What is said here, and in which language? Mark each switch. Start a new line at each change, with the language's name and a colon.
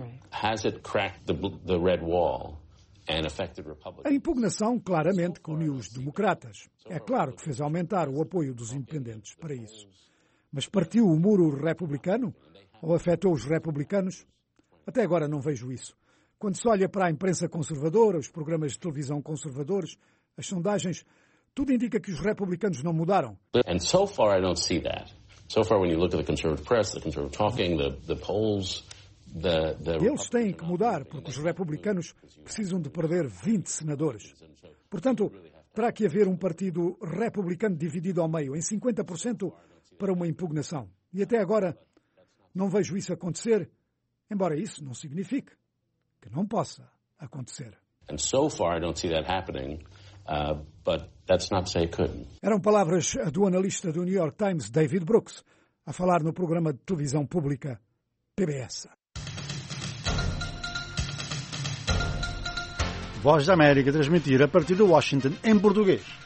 English: Has it cracked the red wall and affected Republicans?
Portuguese: A impugnação claramente uniu os democratas. É claro que fez aumentar o apoio dos independentes para isso. Mas partiu o muro republicano? Ou afetou os republicanos? Até agora não vejo isso. Quando se olha para a imprensa conservadora, os programas de televisão conservadores, as sondagens, tudo indica que os republicanos não mudaram.
English: And so far I don't see that. So far when you look at the conservative press, the conservative talking, the polls, the
Portuguese: eles têm que mudar porque os republicanos precisam de perder 20 senadores. Portanto, terá que haver um partido republicano dividido ao meio em 50% para uma impugnação. E até agora não vejo isso acontecer, embora isso não signifique que não possa acontecer.
English: And so far I don't see that happening. But that's not to say it couldn't.
Portuguese: Eram palavras do analista do New York Times, David Brooks, a falar no programa de televisão pública PBS. Voz da América, transmitir a partir de Washington em português.